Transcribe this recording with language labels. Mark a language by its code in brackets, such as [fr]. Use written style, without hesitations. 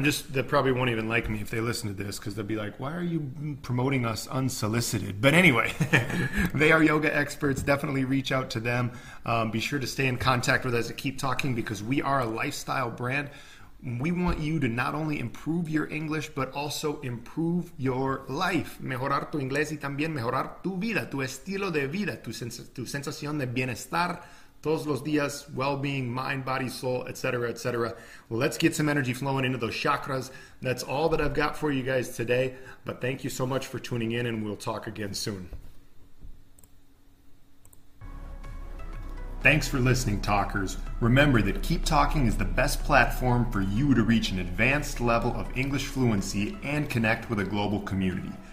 [en] They probably won't even like me if they listen to this because they'll be like, why are you promoting us unsolicited? But anyway, they are yoga experts. Definitely reach out to them. Be sure to stay in contact with us at Keep Talking because we are a lifestyle brand. We want you to not only improve your English, but also improve your life. [es] Mejorar tu inglés y también mejorar tu vida, tu estilo de vida, tu sensación de bienestar. Todos los días, [en] well-being, mind, body, soul, etc., etc. Let's get some energy flowing into those chakras. That's all that I've got for you guys today. But thank you so much for tuning in, and we'll talk again soon. Thanks for listening, talkers. Remember that Keep Talking is the best platform for you to reach an advanced level of English fluency and connect with a global community.